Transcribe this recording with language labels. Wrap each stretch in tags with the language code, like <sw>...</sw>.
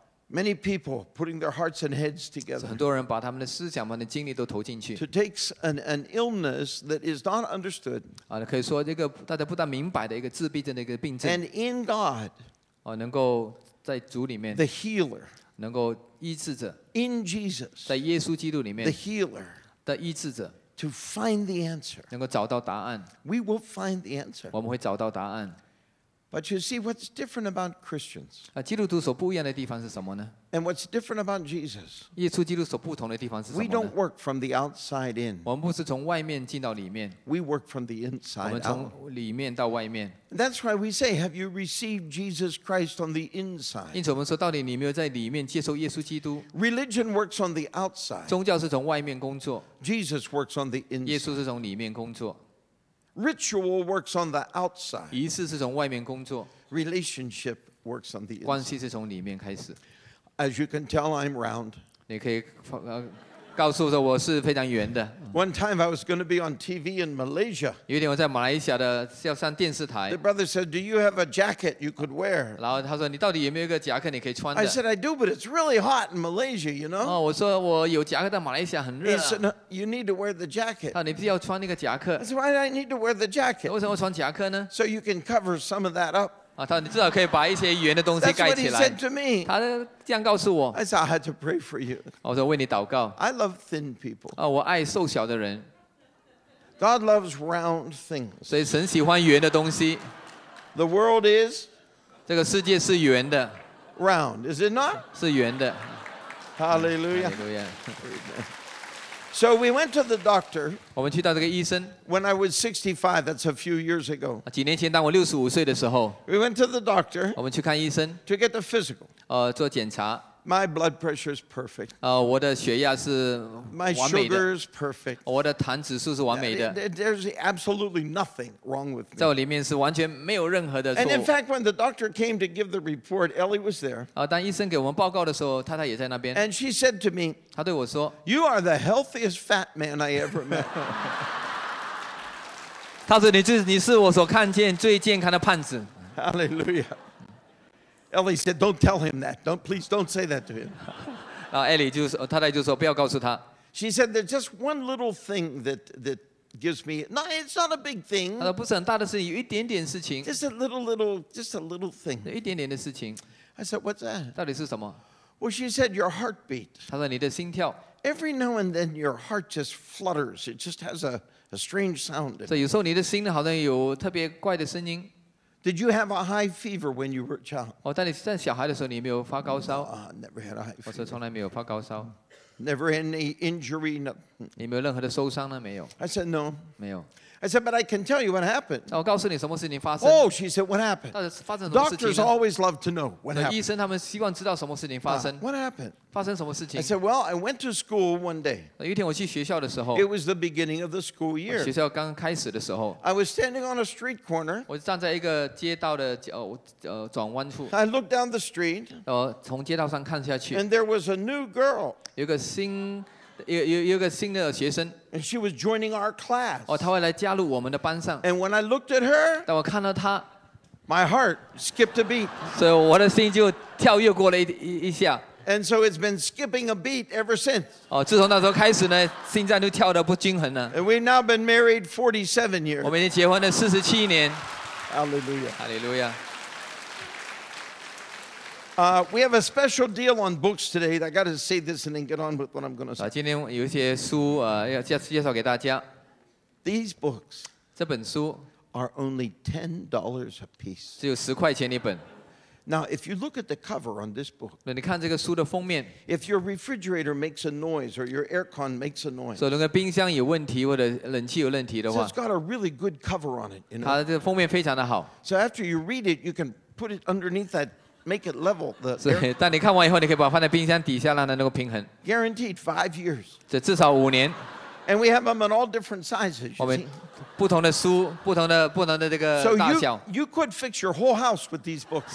<en>Many people putting their hearts and heads together.</en> <zh>很多人把他们的思想、把他们的精力都投进去。</zh> <en>To take an illness that is not understood.</en> <zh>啊，可以说这个大家不大明白的一个自闭症的一个病症。</zh> <en>And in God.</en> <zh>啊，能够在主里面。</zh> <en>The healer.</en> <zh>能够医治者。</zh> <en>In Jesus.</en> <zh>在耶稣基督里面。</zh> <en>The healer.</en> <zh>的医治者。</zh> <en>To find the answer.</en> <zh>能够找到答案。</zh> <en>We will find the answer.</en> <zh>我们会找到答案。</zh> <en>But you see, what's different about Christians?</en> <zh>基督徒所不一样的地方是什么呢？</zh> <en>And what's different about Jesus?</en> <zh>耶稣基督所不同的地方是什么呢？</zh> <en>We don't work from the outside in.</en> <zh>我们不是从外面进到里面。</zh> <en>We work from the inside out.</en> <zh>我们从里面到外面。</zh> <en>That's why we say, have you received Jesus Christ on the inside?</en> <zh>因此我们说，到底你没有在里面接受耶稣基督。</zh> <en>Religion works on the outside.</en> <zh>宗教是从外面工作。</zh> <en>Jesus works on the inside.</en> <zh>耶稣是从里面工作。</zh> <en>Ritual works on the outside.</en> <zh>仪式是从外面工作。</zh> <en>Relationship works on the inside.</en> <zh>关系是从里面开始。</zh> <en>As you can tell, I'm round.</en> <zh>你可以告诉我是非常圆的。</zh> <en>One time I was going to be on TV in Malaysia.</en> <zh>有一天我在马来西亚的要上电视台。</zh> <en>The brother said, "Do you have a jacket you could wear?"</en> <zh>然后他说你到底有没有一个夹克你可以穿的。</zh> <en>I said, "I do, but it's really hot in Malaysia, you know."</en> <zh>哦，我说我有夹克，但马来西亚很热。</zh> <en>He said, "No, you need to wear the jacket."</en> <zh>啊，你必须要穿那个夹克。</zh> <en>I said, "Why do I need to wear the jacket?"</en> <zh>为什么要穿夹克呢</zh> <en>？So you can cover some of that up.</en> <zh>啊，他说你至少可以把一些圆的东西盖起来。</zh> <en>That's what he said to me.</en> <zh>他的这样告诉我。</zh> <en>I said, "I had to pray for you."</en> <zh>我说为你祷告。</zh> <en>I love thin people.</en> <zh>啊，我爱瘦小的人。</zh> <en>God loves round things.</en> <zh>所以神喜欢圆的东西。</zh> <en>The world is.</en> <zh>这个世界是圆的。</zh> <en>Round, is it not?</en> <zh>是圆的。</zh> <en>Hallelujah. Hallelujah. So we went to the doctor.</en> <zh>我们去到这个医生。</zh> <en>When I was 65, that's a few years ago.</en> <zh>几年前，当我65岁的时候。</zh> <en>We went to the doctor.</en> <zh>我们去看医生。</zh> <en>To get the physical.</en> <zh>做检查。</zh> <en>My blood pressure is perfect.</en> <zh>我的血压是完美的。</zh> <en>My sugar is perfect.</en> <zh>我的糖指数是完美的。</zh> <en>There's absolutely nothing wrong with me.</en> <zh>在我里面是完全没有任何的错。</zh> <en>And in fact, when the doctor came to give the report, Ellie was there.</en> <zh>当医生给我们报告的时候，太太也在那边。</zh> <en>And she said to me,</en> <zh>她对我说</zh> <en>"You are the healthiest fat man I ever met."</en> <zh>她说你是我所看见最健康的胖子。</zh> <en>Hallelujah. Ellie said, "Don't tell him that. Don't, please, don't say that to him."</en> <zh>Ellie 就说，太太就说，不要告诉他。</zh> <en>She said, "There's just one little thing that gives me. No, it's not a big thing."</en> <zh>她说不是很大的事情，有一点点事情。</zh> <en>Just a little, just a little thing.</en> <zh>一点点的事情。</zh> <en>I said, "What's that?"</en> <zh>到底是什么</zh> <en>？Well, she said, "Your heartbeat."</en> <zh>她说你的心跳。</zh> <en>Every now and then, your heart just flutters. It just has a strange sound.</en> <zh>所以有时候你的心好像有特别怪的声音。</zh> <en>Did you have a high fever when you were a child?</en> <zh>哦，当你在小孩的时候，你没有发高烧</zh> <en>？No, I never had a high fever.</en> <zh>我说从来没有发高烧。</zh> <en>Never any injury? No.</en> <zh>你没有任何的受伤呢？没有。</zh> <en>I said no.</en> <zh>没有。</zh> <en>I said, but I can tell you what happened.</en> <zh>我告诉你什么事情发生。</zh> <en>Oh, she said, what happened?</en> <zh>到底发生什么事情</zh> <en>？Doctors always love to know what happened.</en> <zh>医生他们希望知道什么事情发生。</zh> <en>What happened?</en> <zh>发生什么事情</zh> <en>？I said, well, I went to school one day.</en> <zh>有一天我去学校的时候。</zh> <en>It was the beginning of the school year.</en> <zh>学校刚开始的时候。</zh> <en>I was standing on a street corner.</en> <zh>我站在一个街道的转弯处。</zh> <en>I looked down the street.</en> <zh>从街道上看下去。</zh> <en>And there was a new girl.</en> <zh>有个新有个新的学生</zh> <en>，and she was joining our class.</en> <zh>哦，她会来加入我们的班上。</zh> <en>And when I looked at her,</en> <zh>当我看到她</zh> <en>，my heart skipped a beat.</en> <zh>所以我的心就跳跃过了一下。</zh> <en>And so it's been skipping a beat ever since.</en> <zh>哦，自从那时候开始呢，心脏就跳得不均衡了。</zh> <en>And we've now been married 47 years.</en> <zh>我们已经结婚了47年。</zh> <en>Hallelujah. Hallelujah. We have a special deal on books today. I got to say this and then get on with what I'm going to say.</en> <zh>今天有一些书要介绍给大家。</zh> <en>These books,</en> <zh>这本书</zh> <en>are only $10 a piece.</en> <zh>只有十块钱一本。</zh> <en>Now, if you look at the cover on this book,</en> <zh>那你看这个书的封面。</zh> <en>If your refrigerator makes a noise or your aircon makes a noise,</en> <zh>所以如果冰箱有问题或者冷气有问题的话</zh> <en>，so it's got a really good cover on it.</en> <zh>它的封面非常的好。</zh> <en>So after you read it, you can put it underneath that. Make it level.</en> <zh>所以，当你看完以后，你可以把它放在冰箱底下，让它能够平衡。</zh> <en>Guaranteed 5 years.</en> <zh>这至少五年。</zh> <en>And we have them in all different sizes.</en> <zh>我们不同的书，不同的这个大小。</zh> <en>So you could fix your whole house with these books.</en>